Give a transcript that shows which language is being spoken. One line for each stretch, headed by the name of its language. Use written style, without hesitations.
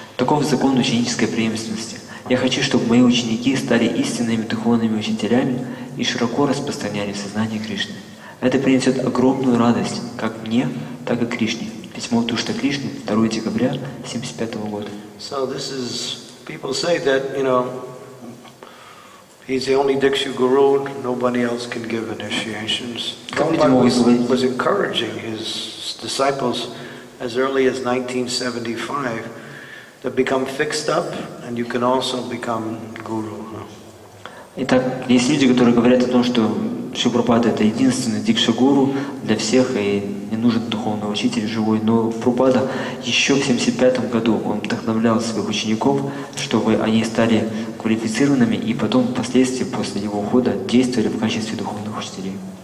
Russian: Таков закон ученической преемственности. Я хочу, чтобы мои ученики стали истинными духовными учителями и широко распространяли сознание Кришны. Это принесет огромную радость как мне, так и Кришне. Письмо Тушта Кришны, 2 декабря 1975 года.
English: So this is, people say that, you know, he's the only Dikshu guru, nobody else can give initiations. Was encouraging his disciples as early as 1975 to become fixed up and you can also become guru.
Russian: Итак, есть люди, которые говорят о том, что Шри Прабхупада — это единственный дикшагуру для всех, и не нужен духовный учитель живой. Но Прабхупада еще в 75-м году он вдохновлял своих учеников, чтобы они стали квалифицированными, и потом, впоследствии, после его ухода, действовали в качестве духовных учителей.